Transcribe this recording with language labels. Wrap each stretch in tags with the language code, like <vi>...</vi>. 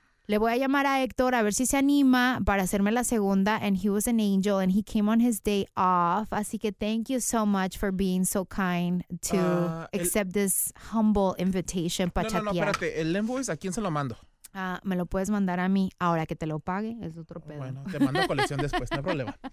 <es>Le voy a llamar a Héctor a ver si se anima para hacerme la segunda.</es> <en>And he was an angel and he came on his day off.</en> <es>Así que</es> <en>thank you so much for being so kind to accept this humble invitation.</en> <es>No, espérate. ¿El invoice a quién se lo mando? Me lo puedes mandar a mí. Ahora que te lo pague, es otro pedo. Bueno, te mando colección después, no hay problema.</es>